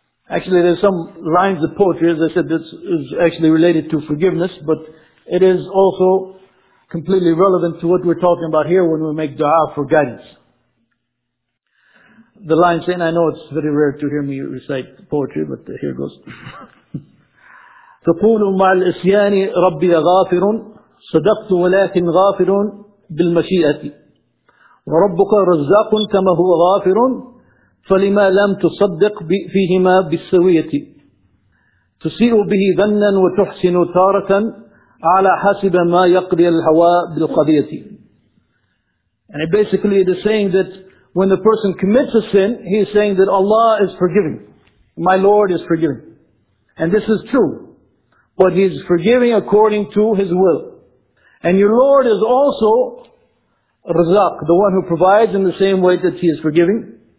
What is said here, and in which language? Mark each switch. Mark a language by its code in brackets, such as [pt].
[en] Actually, there's some lines of poetry, as I said, this is actually related to forgiveness, but it is also completely relevant to what we're talking about here when we make dua for guidance. The line saying, I know it's very rare to hear me recite poetry, but here goes. [ar] تقول مع الإسيان ربي غافر صدقت ولكن غافر بالمشيئة وربك رزاق كما هو غافر فلما لم تصدق فيهما بالسوية تسيء به ظنا وتحسن تارة على حسب ما يقضي الهوى بالقضية. [en] And basically it is saying that when the person commits a sin, he is saying that Allah is forgiving. My Lord is forgiving. And this is true. But He is forgiving according to His will. And your Lord is also Razak, the one who provides in the same way that He is forgiving.